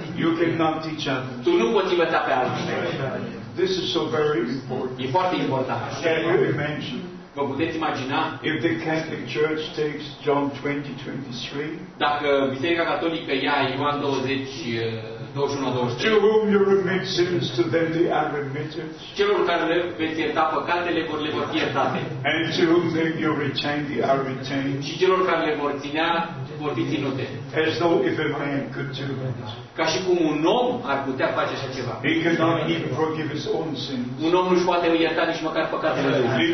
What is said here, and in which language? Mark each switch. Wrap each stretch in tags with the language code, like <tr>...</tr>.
<en>you cannot teach others.</en> <ro>Tu nu poți învăța pe alții.</ro> <en>This is so very important.</en> <ro>E foarte important.</ro> <en>Can you imagine?</en> <ro>Vă puteți imagina?</ro> <en>If the Catholic Church takes John 20:23,</en> <ro>dacă Biserica Catolică ia Ioan 20:21-23,</ro> <en>to whom you remit sins, to them they are remitted.</en> <ro>Celor care le veți ierta păcatele, vor le fi iertate.</ro> <en>And to whom they you retain, they are retained.</en> <ro>Și celor care le vor ținea, vor fi ținute.</ro> <en>As though if a man could do that.</en> <ro>Ca și cum un om ar putea face așa ceva.</ro> <en>He cannot even forgive his own sins.</en> <ro>Un om nu-și poate ierta nici măcar păcatele lui.</ro>